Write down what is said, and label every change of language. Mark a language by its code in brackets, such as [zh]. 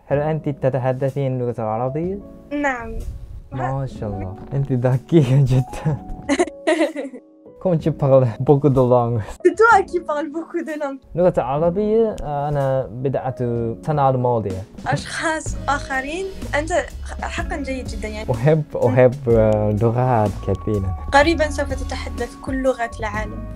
[ar] هل أنت تتحدثين اللغة العربية؟ نعم. ما شاء الله، أنت ذكية جدا. [fr] Comment tu parles beaucoup de langues? C'est toi qui parles beaucoup de langues. [ar] لغة العربية أنا بدأت السنة الماضية. أشخاص آخرين، أنت حقاً جيد جداً يعني. أحب لغات كثيرة. قريباً سوف تتحدث كل لغات العالم.